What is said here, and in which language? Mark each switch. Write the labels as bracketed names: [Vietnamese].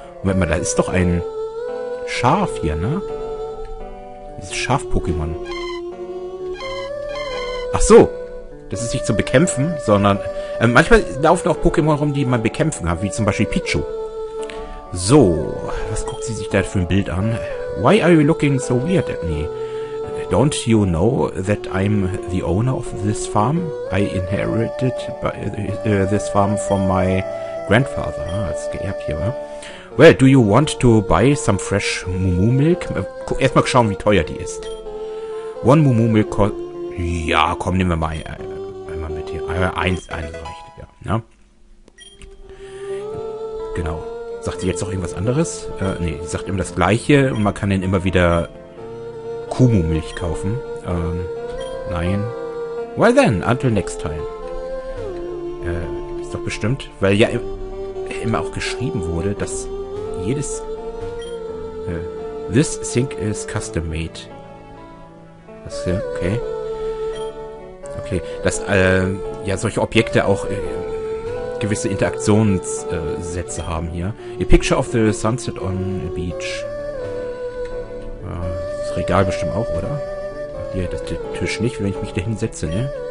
[German] Moment mal, da ist doch ein Schaf hier, ne? Dieses Schaf-Pokémon. Ach so, das ist nicht zum Bekämpfen, sondern manchmal laufen auch Pokémon rum, die man bekämpfen kann, wie zum Beispiel Pichu. So, was guckt sie sich da für ein Bild an? [English] Why are you looking so weird at me? Don't you know that I'm the owner of this farm? I inherited this farm from my grandfather. [German] Ah, das ist geerbt hier, wa? [English] Well, do you want to buy some fresh Mumu Milk? [German] Erstmal schauen, wie teuer die ist. [English] One Mumu Milk cost... [German] Ja, komm, nehmen wir mal einmal mit hier. Eins reicht, ja. Ne? Genau. Sagt sie jetzt noch irgendwas anderes? Sie sagt immer das Gleiche und man kann den immer wieder... Kumu-Milch kaufen. Nein. [English] Well then, until next time. [German] Ist doch bestimmt, weil ja immer auch geschrieben wurde, dass jedes... [English] this sink is custom made. [German] Das hier, okay. Okay, dass solche Objekte auch gewisse Interaktionssätze haben hier. [English] A picture of the sunset on a beach. [German] Regal bestimmt auch, oder? Hier, das ist der Tisch nicht, wenn ich mich da hinsetze, ne?